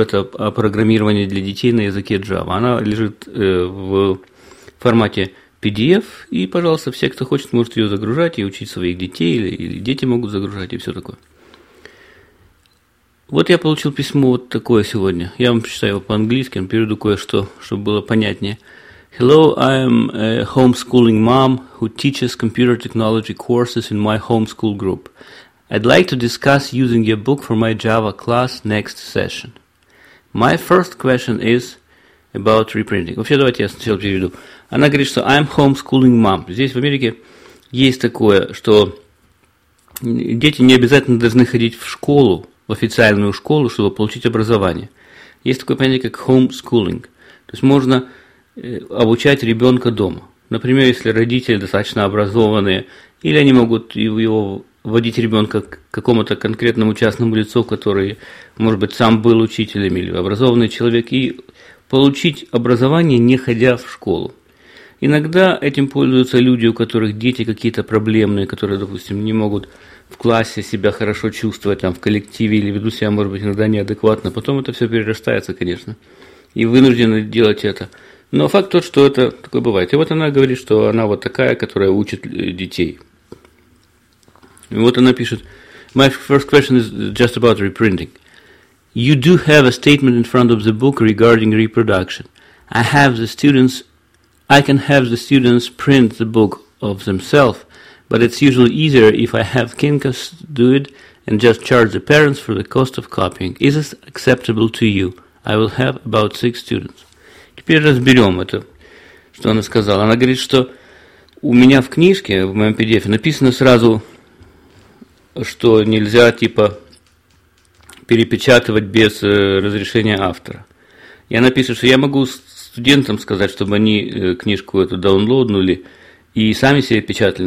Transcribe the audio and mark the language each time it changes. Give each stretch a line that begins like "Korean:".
Russian: Это о программировании для детей на языке Java. Она лежит в формате PDF, и, пожалуйста, все, кто хочет, может ее загружать и учить своих детей, или дети могут загружать, и все такое. Вот я получил письмо вот такое сегодня. Я вам прочитаю его по-английски, переведу кое-что, чтобы было понятнее.
English: Hello, I am a homeschooling mom who teaches computer technology courses in my homeschool group. I'd like to discuss using your book for my Java class next session. My first question is about reprinting.
Russian: Вообще, давайте я сначала переведу. Она говорит, что
English: I'm homeschooling mom.
Russian: Здесь в Америке есть такое, что дети не обязательно должны ходить в школу, в официальную школу, чтобы получить образование. Есть такое понятие, как homeschooling. То есть можно обучать ребенка дома. Например, если родители достаточно образованные, или они могут его водить ребенка к какому-то конкретному частному лицу, который, может быть, сам был учителем или образованный человек, и получить образование, не ходя в школу. Иногда этим пользуются люди, у которых дети какие-то проблемные, которые, допустим, не могут в классе себя хорошо чувствовать, там, в коллективе, или ведут себя, может быть, иногда неадекватно. Потом это все перерастается, конечно, и вынуждены делать это. Но факт тот, что это такое бывает. И вот она говорит, что она вот такая, которая учит детей. И вот она пишет.
English: My first question is just about reprinting. You do have a statement in front of the book regarding reproduction. I have the students, I can have the students print the book of themselves, but it's usually easier if I have Kinkos do it and just charge the parents for the cost of copying. Is this acceptable to you? I will have about 6 students.
Russian: Теперь разберем это, что она сказала. Она говорит, что у меня в книжке, в моем PDF, написано сразу, что нельзя, типа, перепечатывать без разрешения автора. И она пишет, что я могу студентам сказать, чтобы они книжку эту даунлоднули и сами себе печатали.